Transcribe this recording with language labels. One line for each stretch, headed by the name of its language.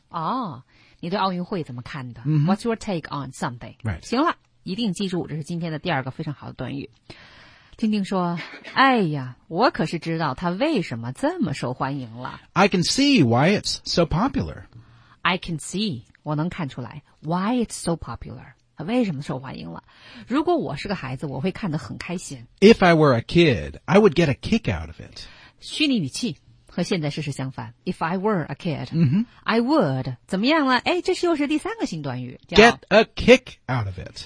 Chinese: 哦、oh, 你对奥运会怎么看的、 mm-hmm.
English: What's your take on something? Right.
Chinese: 行了一定记住这是今天的第二个非常好的短语。听听说哎呀我可是知道它为什么这么受欢迎了。
English: I can see why it's so popular. I can see,
Chinese: 我能看出来
English: why it's so popular.
Chinese: 为什么受欢迎了如果我是个孩子我会看得很开心
English: If I were a kid I would get a kick out of it
Chinese: 虚拟语气和现在事实相反
English: If I were a kid、 mm-hmm. I would
Chinese: 怎么样了、哎、这又是第三个新短语
English: Get a kick out of it